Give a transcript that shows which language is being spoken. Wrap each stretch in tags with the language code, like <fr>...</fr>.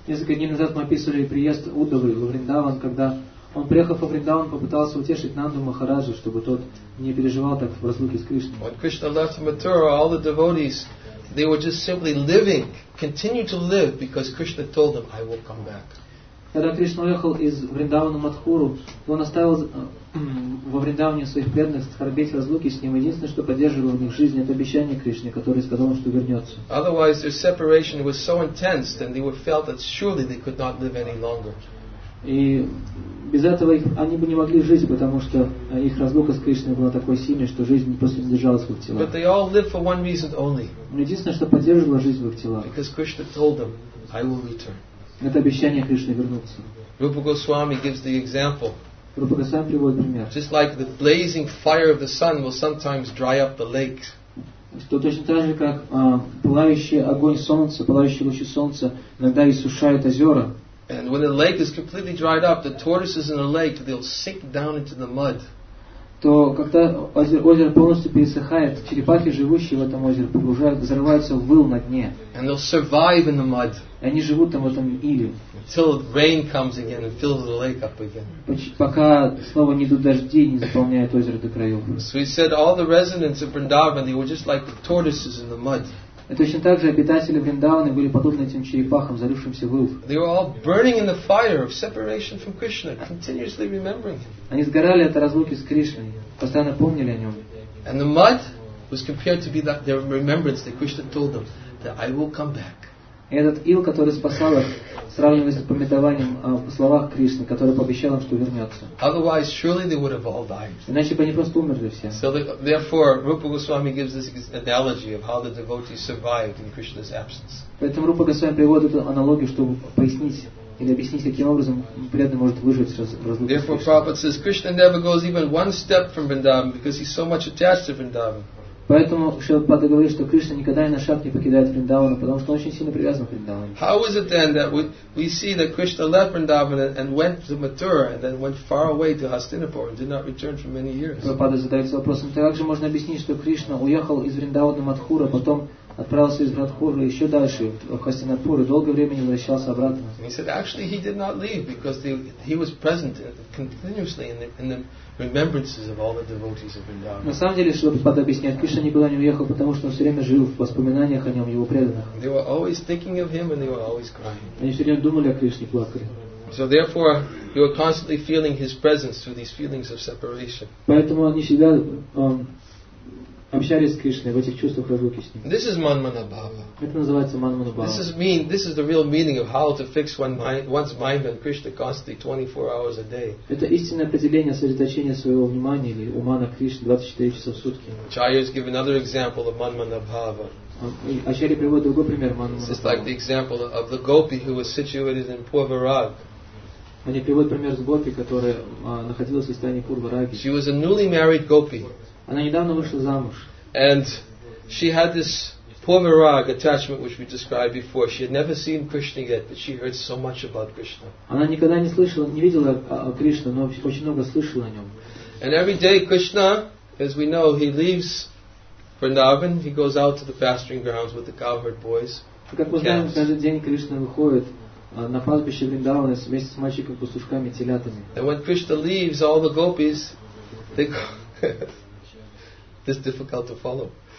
<ru>Несколько дней назад мы описывали приезд Удавы в Вриндаван, когда он, приехав во Вриндаван, попытался утешить Нанду Махараджа, чтобы тот не переживал так в разлуке с Кришной.</ru> <en>When Krishna left Mathura, all the devotees, they were just simply living, continue to live, because Krishna told them, I will come back.</en> <ru>Когда Кришна уехал из Вриндавана в Матхуру, он оставил во Вриндаване своих преданных скорбеть разлуки с ним. Единственное, что поддерживало в них жизнь, это обещание Кришне, которое сказал им, что вернется.</ru> <en>Otherwise, their separation was so intense that they felt that surely they could not live any longer.</en> <ru>И без этого они бы не могли жить, потому что их разлука с Кришной была такой сильной, что жизнь просто не держалась в их телах.</ru> <en>But they all lived for one reason only.</en> <ru>Единственное, что поддерживало жизнь в их телах.</ru> <en>Because Krishna told them, I will return.</en> <ru>Это обещание Кришны вернуться.</ru> <en>Rupa Goswami gives the example.</en> <ru>Rupa Goswami приводит пример.</ru> <en>Just like the blazing fire of the sun will sometimes dry up the lake.</en> <ru>То точно так же, как пылающий огонь солнца, пылающие лучи солнца иногда иссушают озера.</ru> <en>And when the lake is completely dried up, the tortoises in the lake, they'll sink down into the mud.</en> <ru>То когда озеро полностью пересыхает, черепахи, живущие в этом озере, зарываются в выл на дне.</ru> <en>And they'll survive in the mud.</en> <ru>И они живут там в этом иле.</ru> <en>Until rain comes again and fills the lake up again.</en> <ru>Пока снова не идут дожди, не заполняют озеро до краев.</ru> <en>So he said all the residents of Vrindavan, they were just like the tortoises in the mud.</en> <ru>И точно так же обитатели Вриндавана были подобны этим черепахам, зарывшимся в ил.</ru> <en>They were all burning in the fire of separation from Krishna, continuously remembering him.</en> <ru>Они сгорали от разлуки с Кришной, постоянно помнили о нем.</ru> <en>And the mud was compared to be that their remembrance that Krishna told them that I will come back.</en> <ru>И этот ил, который спасал их, сравнивается с памятованием в словах Кришны, который пообещал им, что вернется.</ru> <en>Otherwise, surely they would have all died.</en> <ru>Иначе бы они просто умерли все.</ru> <en>So therefore, Rupa Goswami gives this analogy of how the devotees survived in Krishna's absence.</en> <ru>Поэтому Рупа Госвами приводит эту аналогию, чтобы пояснить или объяснить, каким образом преданный может выжить в разлуке.</ru> <en>Therefore, Prabhupada says, Krishna never goes even one step from Vrindavan because he's so much attached to Vrindavan.</en> <ru>Поэтому Шилпада говорит, что Кришна никогда и на шаг не покидает Вриндавана, потому что он очень сильно привязан к Вриндавану.</ru> <en>How is it then that we see that Krishna left Vrindavana and went to Mathura and then went far away to Hastinapur and did not return for many years?</en> <ru>Шилпада задается вопросом, как же можно объяснить, что Кришна уехал из Вриндавана Матхура, потом отправился из Матхуры еще дальше в Хастинапур и долгое время не возвращался обратно?</ru> <en>He said actually he did not leave because he was present continuously in the remembrances of all the devotees of Vrindavan.</en> <ru>На самом деле, чтобы подобъяснять, Кришна никуда не уехал, потому что он все время жил в воспоминаниях о нем, его преданных.</ru> <en>They were always thinking of him and they were always crying.</en> <ru>Они все время думали о Кришне, плакали.</ru> <en>So therefore, you are constantly feeling his presence through these feelings of separation.</en> <ru>Поэтому они всегда общались с Кришной в этих чувствах разлуки с ним.</ru> <en>This is Manmana Bhava.</en> <ru>Это называется Manmana Bhava.</ru> <en>This is the real meaning of how to fix one's mind on Krishna constantly 24 hours a day.</en> <ru>Это истинное определение сосредоточения своего внимания или ума на Кришне 24 часа в сутки.</ru> <en>Acharyas give another example of Manmana Bhava.</en> <ru>Acharya приводит другой пример Manmana Bhava.</ru> <en>This is like the example of the gopi who was situated in Purvarag.</en> <ru>Они приводят пример с гопи, которая находилась в состоянии Пурвараги.</ru> <en>She was a newly married gopi.</en> <ru>Она недавно вышла замуж.</ru> <en>And she had this Purvarag attachment which we described before. She had never seen Krishna yet, but she heard so much about Krishna.</en> <ru>Она никогда не слышала, не видела Кришну, но очень много слышала о нем.</ru> <en>And every day Krishna, as we know, he leaves Vrindavan, he goes out to the pasturing grounds with the cowherd boys.</en> <ru>Как мы знаем, каждый день Кришна выходит на пастбище Вриндавана вместе с мальчиками-пастушками, телятами.</ru> <en>And when Krishna leaves, all the gopis, they go. This is difficult to follow.</en>